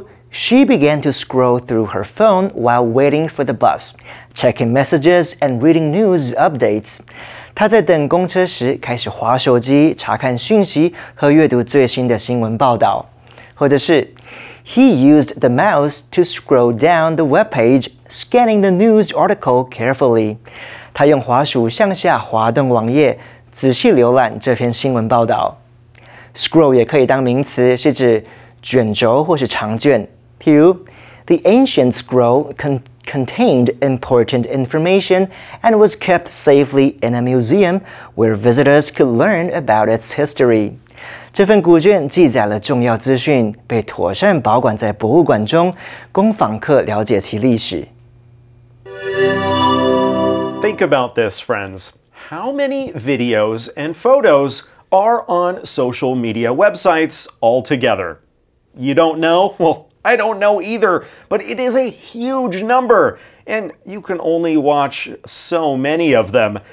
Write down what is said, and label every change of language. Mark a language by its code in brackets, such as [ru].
[en] She began to scroll through her phone while waiting for the bus, checking messages and reading news updates. [zh] 她在等公车时开始滑手机，查看讯息和阅读最新的新闻报道。或者是 [en] He used the mouse to scroll down the webpage, scanning the news article carefully. [zh] 她用滑鼠向下滑动网页，仔细浏览这篇新闻报道。 Scroll 也可以当名词，是指卷轴或是长卷。譬如 [en] The ancient scroll contained important information and was kept safely in a museum where visitors could learn about its history. [zh] 这份古卷记载了重要资讯，被妥善保管在博物馆中，供访客了解其历史。 [en] Think about this, friends. How many videos and photos are on social media websites altogether? You don't know? Well, I don't know either, but it is a huge number, and you can only watch so many of them.